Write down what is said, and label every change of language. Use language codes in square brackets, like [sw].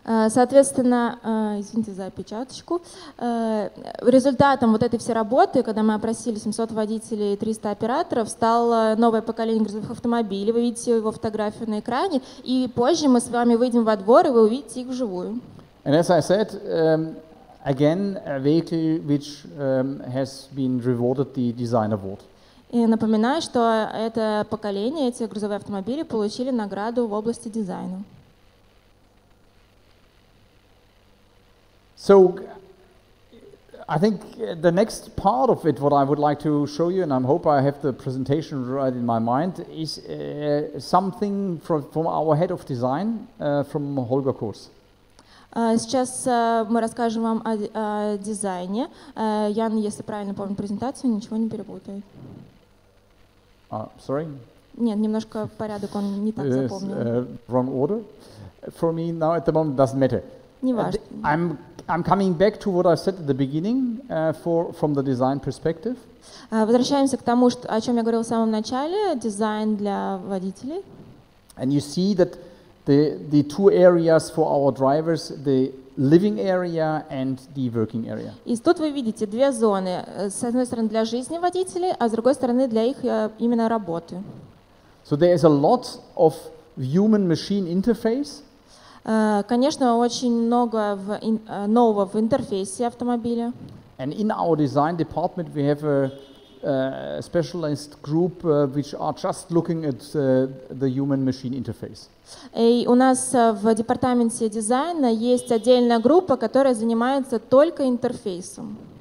[ru] Соответственно, извините за опечаточку. Результатом вот этой всей работы, когда мы опросили 700 водителей и 300 операторов, стало новое поколение грузовых автомобилей. Вы видите его фотографию на экране, и позже мы с вами выйдем во двор и вы увидите их вживую. [en] And as I said, again, a vehicle which has been rewarded the design award. [ru] И напоминаю, что это поколение, эти грузовые автомобили получили награду в области дизайна. [en] So, I think the next part of it, what I would like to show you, and I hope I have the presentation right in my mind, is something from our head of design, from Holger Kurs. [ru] Сейчас мы расскажем вам о дизайне. Ян, если правильно помню презентацию, ничего не перепутает. [en] Sorry? [ru] Нет, немножко порядок он не так запомнил. [en] Wrong order? For me now at the moment doesn't matter. [ru] Не важно. [en] I'm coming back to what I said at the beginning from the design perspective. [ru] Возвращаемся к тому, о чем я говорил в самом начале, дизайн для водителей. [en] And you see that the two areas for our drivers, the living area and the working area. [ru] И тут вы видите две зоны: с одной стороны для жизни водителей, а с другой стороны для их именно работы. [en] So there is a lot of human-machine interface. [ru] Конечно, очень много нового в интерфейсе автомобиля. [en] And in our design department, we have a specialized group which are just looking at the human-machine interface. [ru] И у нас в департаменте дизайна есть отдельная группа, которая занимается только интерфейсом.